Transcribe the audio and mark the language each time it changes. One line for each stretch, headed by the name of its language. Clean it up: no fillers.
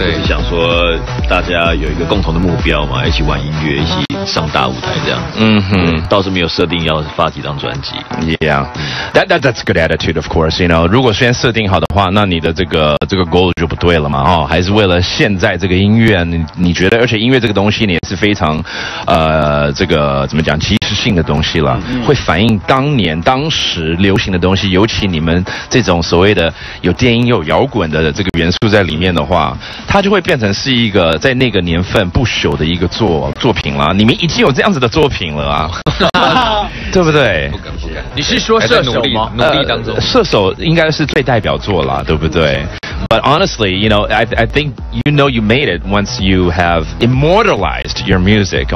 Chinese: 那时候没有想那么多，对啊，那时候就是想说大家有一个共同的目标嘛， 一起玩音乐， 一起上大舞台这样。嗯哼，倒是没有设定要发几张专辑。
English: Yeah, that's a good attitude, of course, you know.
Chinese: 如果先设定好的话， 那你的这个goal就不对了嘛， 还是为了现在这个音乐， 你觉得， 而且音乐这个东西也是非常，这个怎么讲， 即时性的东西啦，会反映当年当时流行的东西，尤其你们这种所谓的有电音有摇滚的这个元素在里面的话，它就会变成是一个在那个年份不朽的一个作品啦。你们已经有这样子的作品了啊，对不对？不敢不敢，你是说射手吗？努力当中，射手应该是最代表作啦，对不对？
English: But honestly, you know, I think you know you made it once you have immortalized your music.